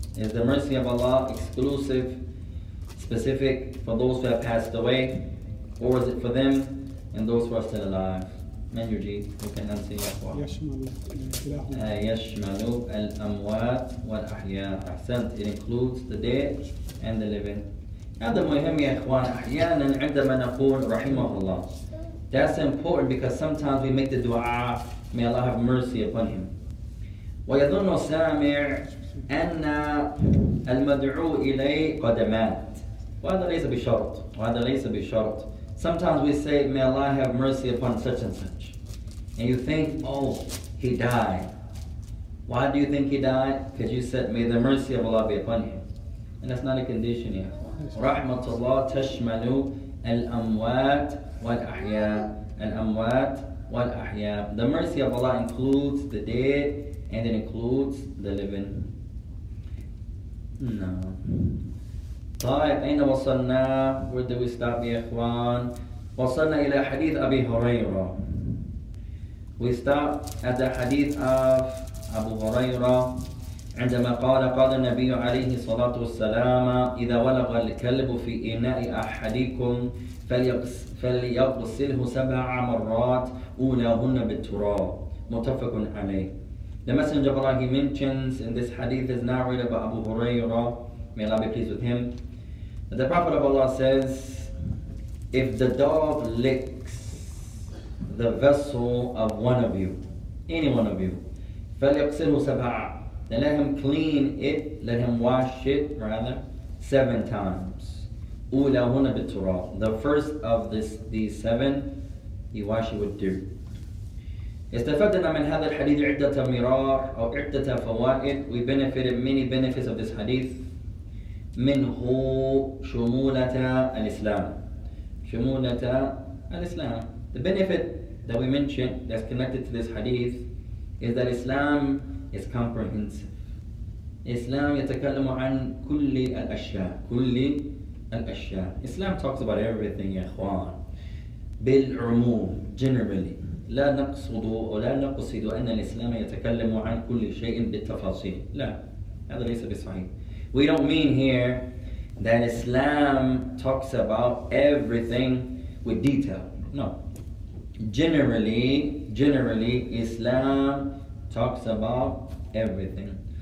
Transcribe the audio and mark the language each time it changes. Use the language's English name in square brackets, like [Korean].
[English] Is the mercy of Allah exclusive, specific for those who have passed away, or is it for them and those who are still alive? Manuji, you can answer your question. [Arabic] يَشْمَلُ الْأَمْوَاتِ وَالْأَحْيَاءِ أحسنت. [English] It includes the dead and the living. [Arabic] هذا مهم يا إخوان. أحيانا عندما نقول رحمه الله. [English] That's important because sometimes we make the dua, may Allah have mercy upon him. [Arabic] وَيَظُنُّ السَّامِعُ أَنَّ الْمَدْعُو إِلَيْهِ قَدْ مَاتَ. وهذا ليس بشرط. وهذا ليس بشرط. [English] Sometimes we say, may Allah have mercy upon such and such. And you think, oh, he died. Why do you think he died? Because you said, may the mercy of Allah be upon him. And that's not a condition, ya. [Arabic] Rahmatullah tashmalu al-amwat wal-ahya. Al-amwat wal-ahya. [English] The mercy of Allah includes the dead and it includes the living. No. [Arabic] طيب أين وصلنا؟ [English] Where did we stop [Arabic] يا إخوان؟ وصلنا إلى حديث أبي هريرة. [English] We stop at the hadith of [Arabic] أبو هريرة عندما قال قال النبي عليه الصلاة والسلام إذا ولغ الكلب في إناء أحدكم فليغسله سبع مرات أولاهن بالتراب. متفق عليه. [English] The Messenger of Allah, he mentions in this hadith is narrated by Abu Hurairah, may Allah be pleased with him. The Prophet of Allah says, if the dog licks the vessel of one of you, any one of you, [Arabic] فَلْيَقْسِلُهُ سَبْعًا, [English] then let him clean it, let him wash it, rather, seven times. [Arabic] أُولَهُنَّ بِالتُّرَابِ. [English] The first of these seven, he wash it with dirt. [Arabic] استفدنا من هذا الحديث عدة مرار أو عدة فوائد. [English] We benefited many benefits of this hadith. [Arabic] منه شمولة الإسلام. شمولة الإسلام. [English] The benefit that we mentioned that's connected to this hadith is that Islam is comprehensive. [Arabic] Islam يتكلم عن كل الأشياء كل الأشياء. [English] Islam talks about everything, [Arabic] يا إخوان. بالعموم, [English] generally. [Arabic] لا نقصد ولا نقصد أن الإسلام يتكلم عن كل شيء بالتفاصيل. لا, هذا ليس بصحيح. [English] We don't mean here that Islam talks about everything with detail. No. Generally, Islam talks about everything.